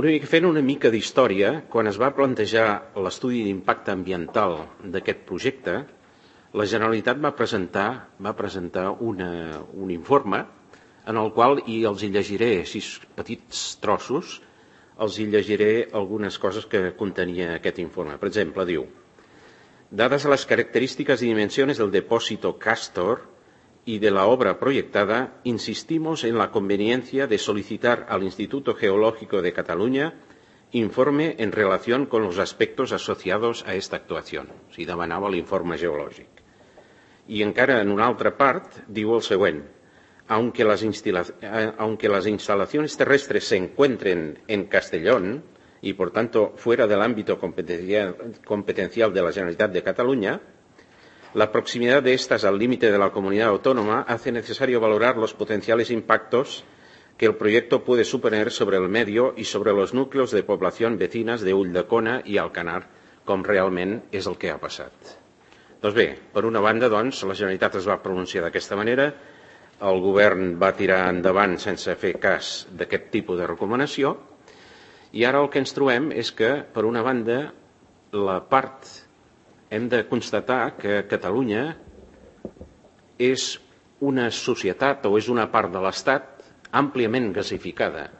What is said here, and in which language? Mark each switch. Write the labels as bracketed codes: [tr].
[ca] Fent una mica d'història, quan es va plantejar l'estudi d'impacte ambiental d'aquest projecte, la Generalitat va presentar un informe en el qual, i els hi llegiré sis petits trossos, els hi llegiré algunes coses que contenia aquest informe. Per exemple, diu: dades les característiques i [es] dimensiones del depósito Castor y de la obra proyectada, insistimos en la conveniencia de solicitar al Instituto Geológico de Cataluña informe en relación con los aspectos asociados a esta actuación. [ca] O sigui, demanava l'informe geològic. I encara en una altra part diu el següent: [es] aunque las instalaciones terrestres se encuentren en Castellón y, por tanto, fuera del ámbito competencial de la Generalitat de Cataluña, la proximidad de estas al límite de la comunidad autónoma hace necesario valorar los potenciales impactos que el proyecto puede suponer sobre el medio y sobre los núcleos de población vecinas de Ulldecona y Alcanar, [ca] com realment és el que ha passat. Doncs bé, per una banda, doncs, la Generalitat es va pronunciar d'aquesta manera, el govern va tirar endavant sense fer cas d'aquest tipus de recomanació, i ara el que ens trobem és que, per una banda, la part... Hem de constatar que Catalunya és una societat o és una part de l'Estat àmpliament gasificada.